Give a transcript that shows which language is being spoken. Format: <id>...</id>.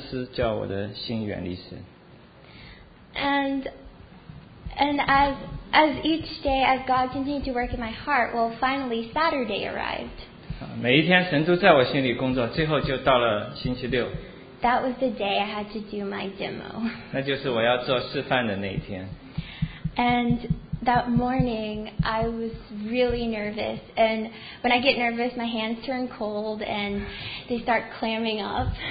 <zh>我的心里实在很忧伤，因为我觉得说我因为自私，叫我的心远离神。</zh> <en>And as each day as God continued to work in my heart, well, finally Saturday arrived.</en> <zh>每一天神都在我心里工作，最后就到了星期六。</zh> <en>That was the day I had to do my demo.</en> <zh>那就是我要做示范的那一天。And</zh> <en>that morning, I was really nervous. And when I get nervous, my hands turn cold and they start clamming up.</en>